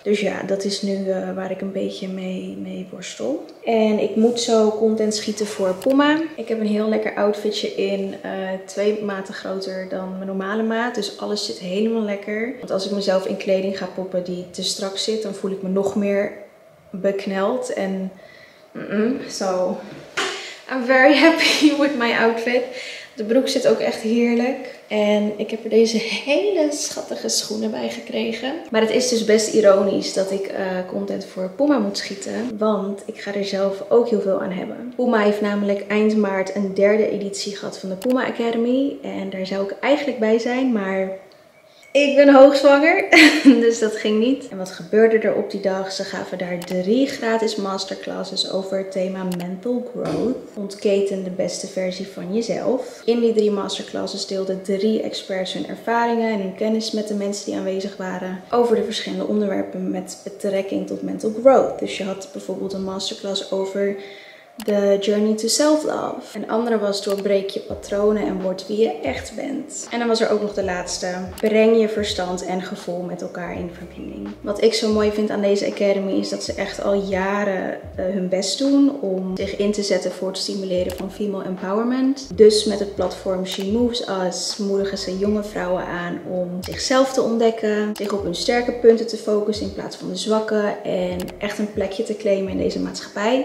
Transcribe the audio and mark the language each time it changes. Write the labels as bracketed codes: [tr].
[nl] Dus ja, dat is nu waar ik een beetje mee worstel. En ik moet zo content schieten voor Puma. Ik heb een heel lekker outfitje in. 2 maten groter dan mijn normale maat. Dus alles zit helemaal lekker. Want als ik mezelf in kleding ga poppen die te strak zit, dan voel ik me nog meer... bekneld en [en] so I'm very happy with my outfit. [nl] De broek zit ook echt heerlijk en ik heb er deze hele schattige schoenen bij gekregen. Maar het is dus best ironisch dat ik content voor Puma moet schieten, want ik ga er zelf ook heel veel aan hebben. Puma heeft namelijk eind maart een 3e editie gehad van de Puma Academy en daar zou ik eigenlijk bij zijn, maar ik ben hoogzwanger, dus dat ging niet. En wat gebeurde er op die dag? Ze gaven daar 3 gratis masterclasses over het thema mental growth. Ontketen de beste versie van jezelf. In die 3 masterclasses deelden 3 experts hun ervaringen en hun kennis met de mensen die aanwezig waren. Over de verschillende onderwerpen met betrekking tot mental growth. Dus je had bijvoorbeeld een masterclass over [en] The Journey to Self-Love. [nl] Een andere was doorbreek je patronen en word wie je echt bent. En dan was er ook nog de laatste. Breng je verstand en gevoel met elkaar in verbinding. Wat ik zo mooi vind aan deze Academy is dat ze echt al jaren hun best doen om zich in te zetten voor het stimuleren van female empowerment. Dus met het platform She Moves Us moedigen ze jonge vrouwen aan om zichzelf te ontdekken, zich op hun sterke punten te focussen in plaats van de zwakke en echt een plekje te claimen in deze maatschappij.